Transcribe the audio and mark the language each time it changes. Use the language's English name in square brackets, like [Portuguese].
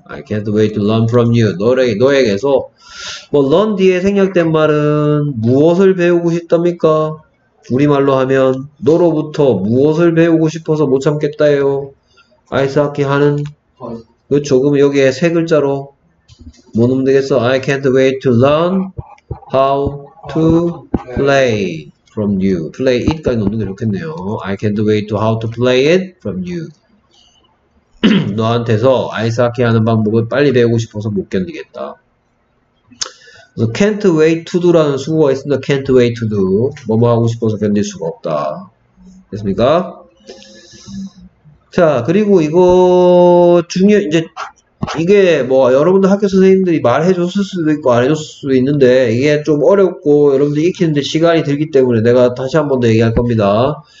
[English] I can't wait to learn from you. [Korean] 너에게서. 뭐, learn 뒤에 생략된 말은 무엇을 배우고 싶답니까? 우리말로 하면 너로부터 무엇을 배우고 싶어서 못 참겠다요. 아이스하키 하는 그 조금 여기에 세 글자로 뭐 넣으면 되겠어? [English] I can't wait to learn how to play. from you. play it까지 [Korean] 넣는 게 좋겠네요. [English] I can't wait to how to play it from you. [Korean] 너한테서 아이스하키 하는 방법을 빨리 배우고 싶어서 못 견디겠다. 그래서 can't wait to do라는 수고가 있습니다. [English] can't wait to do. [Korean] 뭐뭐 하고 싶어서 견딜 수가 없다. 됐습니까? 자, 그리고 이거 중요, 이제 이게 뭐 여러분들 학교 선생님들이 말해줬을 수도 있고 안 해줬을 수도 있는데 이게 좀 어렵고 여러분들 익히는데 시간이 들기 때문에 내가 다시 한 번 더 얘기할 겁니다.